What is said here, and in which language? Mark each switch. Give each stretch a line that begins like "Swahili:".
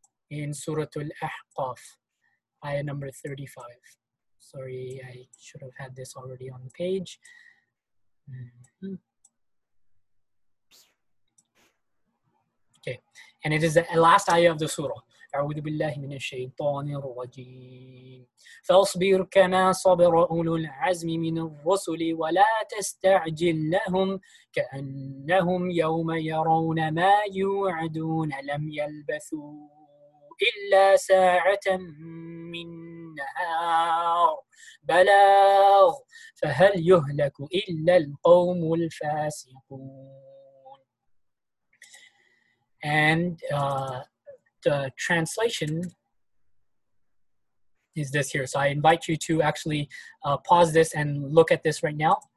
English: In Suratul Ahqaf, ayah number 35. Sorry, I should have had this already on the page. Okay, and it is the last ayah of the surah.
Arabic: أعوذ بالله من الشيطان الرجيم فاصبر كما صبر أولو العزم من الرسل ولا تستعجل لهم كأنهم يوم يرون ما يوعدون لم يلبثوا إلا ساعة من نهار بلاغ فهل يهلك إلا القوم الفاسقون.
English: And the translation is this here. So I invite you to actually pause this and look at this right now.